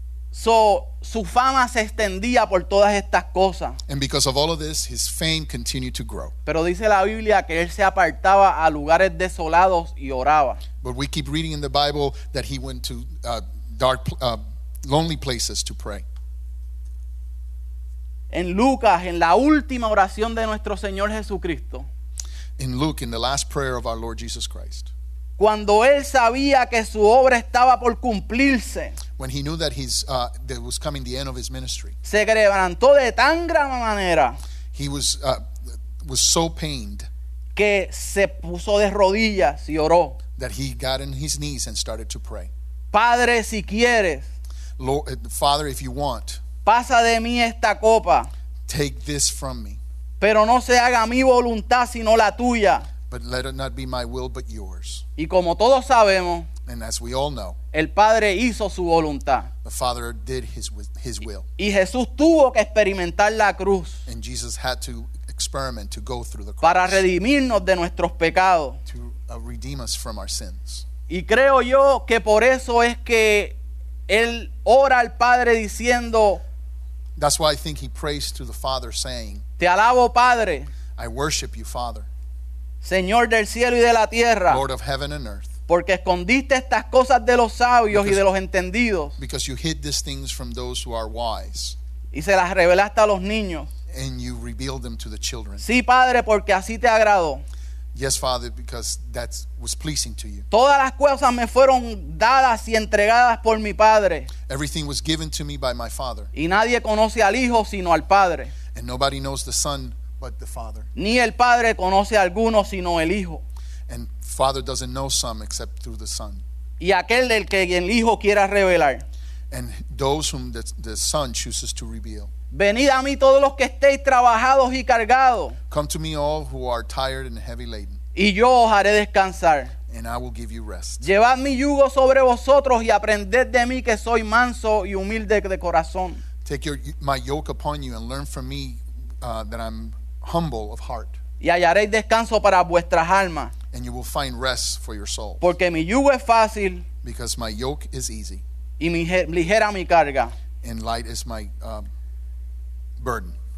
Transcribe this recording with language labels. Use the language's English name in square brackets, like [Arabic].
[English] So [Spanish] su fama se extendía por todas estas cosas. [English] And because of all of this, his fame continued to grow. [Spanish] Pero dice la Biblia que él se apartaba a lugares desolados y oraba. [English] But we keep reading in the Bible that he went to dark, lonely places to pray. [Spanish] En Lucas, en la última oración de nuestro Señor Jesucristo. [English] In Luke, in the last prayer of our Lord Jesus Christ. [Spanish] Cuando él sabía que su obra estaba por cumplirse. [English] When he knew that his that was coming the end of his ministry. [Spanish] Se quebrantó de tan gran manera. [English] He was so pained. [Spanish] Que se puso de rodillas y oró. [English] That he got on his knees and started to pray. [Spanish] Padre, si quieres. [English] Lord, Father, if you want. [Spanish] Pasa de mí esta copa. [English] Take this from me. [Spanish] Pero no se haga mi voluntad sino la tuya. [English] But let it not be my will but yours. [Spanish] Y como todos sabemos, [English] and as we all know, [Spanish] el Padre hizo su voluntad. [English] The Father did his will. [Spanish] Y Jesús tuvo que experimentar la cruz. [English] And Jesus had to experiment to go through the cross. [Spanish] Para redimirnos de nuestros pecados. [English] To redeem us from our sins. [Spanish] Y creo yo que por eso es que él ora al Padre diciendo, [English] that's why I think he prays to the Father saying, [Spanish] te alabo, Padre. [English] I worship you, Father. [Spanish] Señor del cielo y de la tierra. [English] Lord of heaven and earth. [Spanish] Porque escondiste estas cosas de los sabios y de los entendidos. [English] Because you hid these things from those who are wise. [Spanish] Y se las revelaste a los niños. [English] And you revealed them to the children. [Spanish] Sí, Padre, porque así te agradó. [English] Yes, Father, because that was pleasing to you. [Spanish] Todas las cosas me fueron dadas y entregadas por mi Padre. [English] Everything was given to me by my Father. [Spanish] Y nadie conoce al Hijo sino al Padre. [English] And nobody knows the Son but the Father. [Spanish] Ni el Padre conoce a alguno sino el Hijo. [English] And Father doesn't know some except through the Son. [Spanish] Y aquel del que el Hijo quiera revelar. [English] And those whom the Son chooses to reveal. [Spanish] Venid a mí todos los que estéis trabajados y cargados. [English] Come to me all who are tired and heavy laden. [Spanish] Y yo os haré descansar. [English] And I will give you rest. [Spanish] Llevad mi yugo sobre vosotros y aprended de mí que soy manso y humilde de corazón. [English] Take my yoke upon you and learn from me that I'm humble of heart. [Spanish] Y hallaréis descanso para vuestras almas. [English] And you will find rest for your soul. [Spanish] Porque mi yugo es fácil. [English] Because my yoke is easy. [Spanish] Y ligera mi carga. [English] And light is my burden.